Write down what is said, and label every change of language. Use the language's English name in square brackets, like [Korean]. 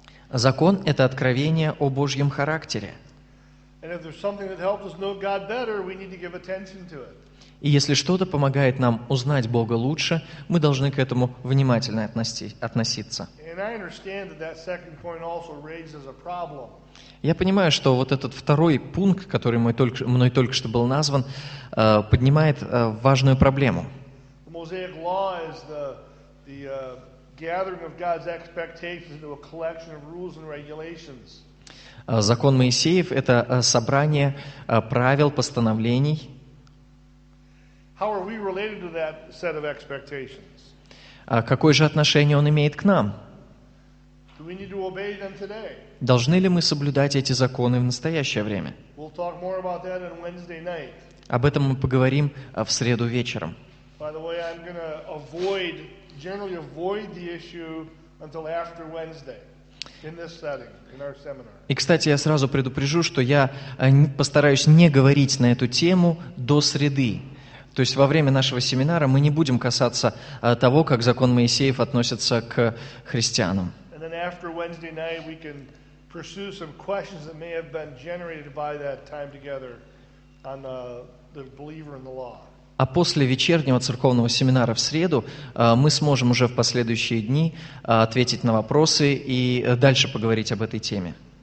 [Russian] Закон — это откровение о Божьем характере. [English] And if there's something that helps us know God better, we need to give attention to it. [Russian] И если что-то помогает нам узнать Бога лучше, мы должны к этому внимательно относиться. [English] And I understand that that second point also raises a problem. [Russian] Я понимаю, что вот этот второй пункт, который мной только что был назван, поднимает важную проблему. [English] The Mosaic law is the gathering of God's expectations into a collection of rules and regulations. [Russian] Закон Моисеев — это собрание правил, постановлений. [English] How are we related to that set of expectations? [Russian] Какое же отношение он имеет к нам? [English] Do we need to obey them today? [Russian] Должны ли мы соблюдать эти законы в настоящее время? [English] We'll talk more about that on Wednesday night. [Russian] Об этом мы поговорим в среду вечером. [English] By the way, I'm going to generally avoid the issue until after Wednesday. In this setting, in our seminar. [Russian] И, кстати, я сразу предупрежу, что я постараюсь не говорить на эту тему до среды. То есть во время нашего семинара мы не будем касаться того, как закон Моисеев относится к христианам. [English] And then after Wednesday night we can pursue some questions that may have been generated by that time together on the believer in the law. [Russian] А после вечернего церковного семинара в среду мы сможем уже в последующие дни ответить на вопросы и дальше поговорить об этой теме.